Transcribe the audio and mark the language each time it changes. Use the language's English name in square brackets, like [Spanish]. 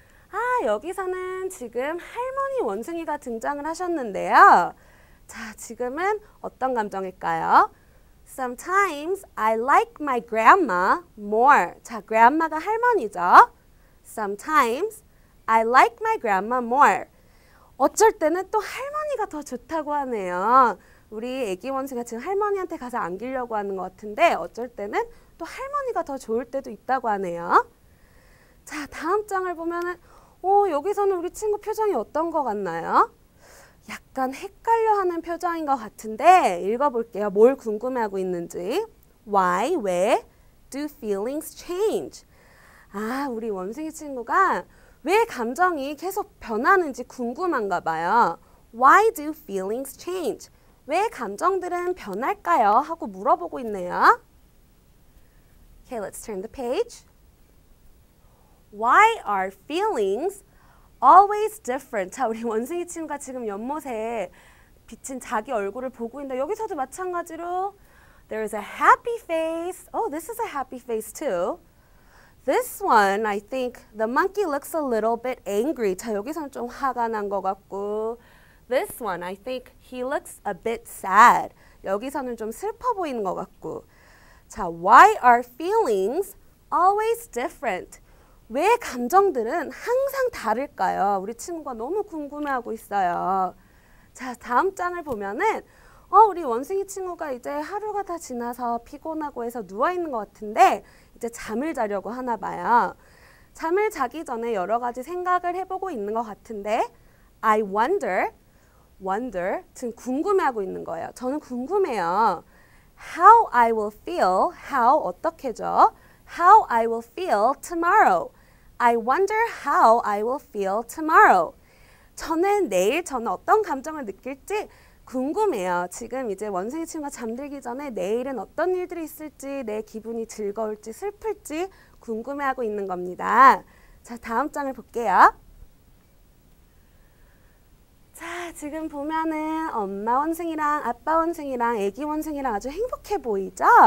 [Korean] 아, 여기서는 지금 할머니 원숭이가 등장을 하셨는데요. 자, 지금은 어떤 감정일까요? [English] Sometimes I like my grandma more. [Korean] 자, 그랜마가 할머니죠. [English] Sometimes I like my grandma more. [Korean] 어쩔 때는 또 할머니가 더 좋다고 하네요. 우리 애기 원숭이가 지금 할머니한테 가서 안기려고 하는 것 같은데 어쩔 때는 또 할머니가 더 좋을 때도 있다고 하네요. 자, 다음 장을 보면은 여기서는 우리 친구 표정이 어떤 것 같나요? 약간 헷갈려하는 표정인 것 같은데 읽어볼게요. 뭘 궁금해하고 있는지. [English] Why, [Korean] 왜 [English] do feelings change? [Korean] 아, 우리 원숭이 친구가 왜 감정이 계속 변하는지 궁금한가 봐요. [English] Why do feelings change? [Korean] 왜 감정들은 변할까요? 하고 물어보고 있네요. [English] Okay, let's turn the page. Why are feelings always different? [Korean] 자, 우리 원숭이 친구가 지금 연못에 비친 자기 얼굴을 보고 있는데 여기서도 마찬가지로 [English] There is a happy face. Oh, this is a happy face too. This one, I think the monkey looks a little bit angry. [Korean] 자, 여기서는 좀 화가 난것 같고 [English] This one, I think he looks a bit sad. [Korean] 여기서는 좀 슬퍼 보이는 것 같고. [English] 자, why are feelings always different? [Korean] 왜 감정들은 항상 다를까요? 우리 친구가 너무 궁금해하고 있어요. 자, 다음 장을 보면은, 우리 원숭이 친구가 이제 하루가 다 지나서 피곤하고 해서 누워있는 것 같은데, 이제 잠을 자려고 하나 봐요. 잠을 자기 전에 여러 가지 생각을 해보고 있는 것 같은데, [English] I wonder, wonder, [Korean] 지금 궁금해하고 있는 거예요. 저는 궁금해요. [English] How I will feel, how, [Korean] 어떻게죠? [English] How I will feel tomorrow. I wonder how I will feel tomorrow. [Korean] 저는 내일 저는 어떤 감정을 느낄지 궁금해요. 지금 이제 원숭이 친구가 잠들기 전에 내일은 어떤 일들이 있을지, 내 기분이 즐거울지, 슬플지 궁금해하고 있는 겁니다. 자, 다음 장을 볼게요. 자, 지금 보면은 엄마 원숭이랑 아빠 원숭이랑 아기 원숭이랑 아주 행복해 보이죠?